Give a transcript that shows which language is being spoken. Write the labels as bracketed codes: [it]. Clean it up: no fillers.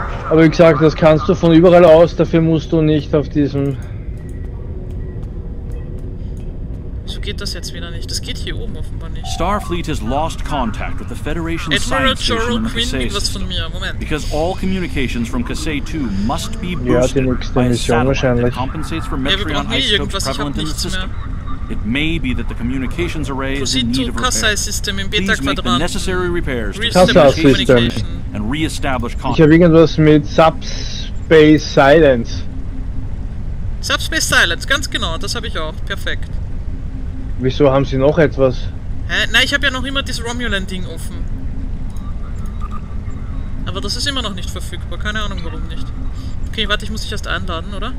[de] Aber wie gesagt, das kannst du von überall aus, dafür musst du nicht auf diesem. So geht das jetzt wieder nicht. Das geht hier oben offenbar nicht. [en] Starfleet has lost contact with the Federation Admiral Science Joro Station. [de] Admiral Joro Quinn was von mir, Moment. [en] Because all communications from Cassay 2 must be boosted by a satellite that compensates for Metrion isotopes prevalent in the system. [de] Mehr. [en] It may be that the communications array is in need of repair. System in Beta Quadrant. Please make the necessary repairs to system and re-establish contact. [de] Ich habe irgendwas mit Subspace Silence. Subspace Silence, ganz genau, das habe ich auch. Perfekt. Wieso haben Sie noch etwas? Hä? Nein, ich habe ja noch immer das Romulan-Ding offen. Aber das ist immer noch nicht verfügbar, keine Ahnung warum nicht. Okay, warte, ich muss dich erst einladen, oder?